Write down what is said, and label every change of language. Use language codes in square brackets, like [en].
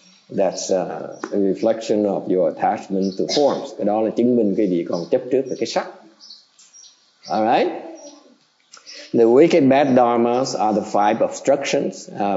[en] That's a reflection of your attachment to forms. [vi] Cái đó là chứng minh cái gì còn chấp trước cái sắc. [en] All right. The wicked bad dharmas are the five obstructions.